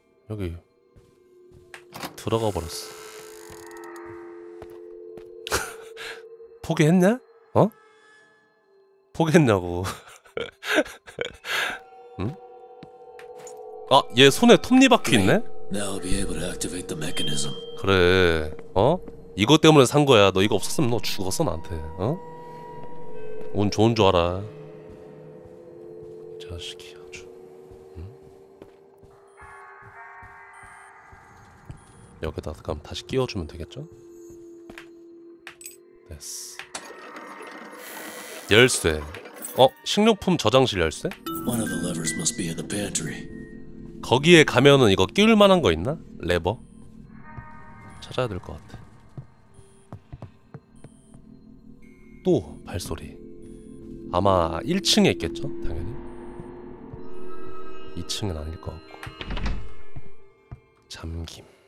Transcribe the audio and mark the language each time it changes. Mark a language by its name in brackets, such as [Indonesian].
[Korean] 여기 들어가 버렸어. 포기했냐? 어? 포기했냐고. 응? 아, 얘 손에 톱니바퀴 있네? [English] Now be able to activate the mechanism. [Korean] 그래. 어? 이것 때문에 산 거야. 너 이거 없었으면 너 죽었어 나한테. 어? 운 좋은 줄 알아. 자식이 아주. 응? 여기다 그럼 다시 끼워주면 되겠죠? 됐어. 열쇠. 어? 식료품 저장실 열쇠? [English] One of the levers must be in the pantry. [Korean] 거기에 가면은 이거 끼울 만한 거 있나? 레버? 찾아야 될 것 같아. 또 발소리. 아마 1층에 있겠죠? 당연히. 2층은 아닐 것 같고. 잠김.